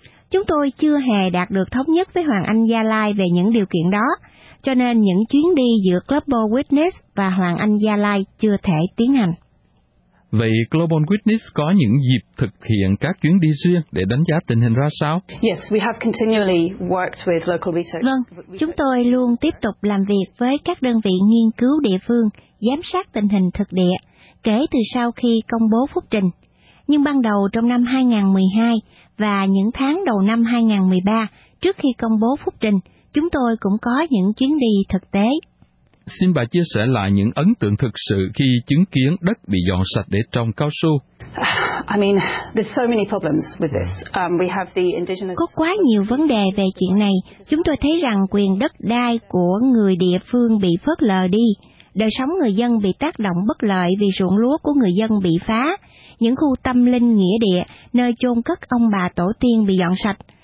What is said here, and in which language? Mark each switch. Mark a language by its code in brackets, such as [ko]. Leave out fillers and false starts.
[vi] Chúng tôi chưa hề đạt được thống nhất với Hoàng Anh Gia Lai về những điều kiện đó, cho nên những chuyến đi giữa Global Witness và Hoàng Anh Gia Lai chưa thể tiến hành. Vậy Global Witness có những dịp thực hiện các chuyến đi riêng để đánh giá tình hình ra sao? [en] Yes, we have continually worked with local research. [vi] Vâng, chúng tôi luôn tiếp tục làm việc với các đơn vị nghiên cứu địa phương, giám sát tình hình thực địa, kể từ sau khi công bố phúc trình. Nhưng ban đầu trong năm 2012 và những tháng đầu năm 2013, trước khi công bố phúc trình, chúng tôi cũng có những chuyến đi thực tế. Xin bà chia sẻ lại những ấn tượng thực sự khi chứng kiến đất bị dọn sạch để trồng cao su. [en] I mean, there's so many problems with this. We have the indigenous. [vi] Có quá nhiều vấn đề về chuyện này. Chúng tôi thấy rằng quyền đất đai của người địa phương bị phớt lờ đi, đời sống người dân bị tác động bất lợi vì ruộng lúa của người dân bị phá, những khu tâm linh nghĩa địa nơi chôn cất ông bà tổ tiên bị dọn sạch.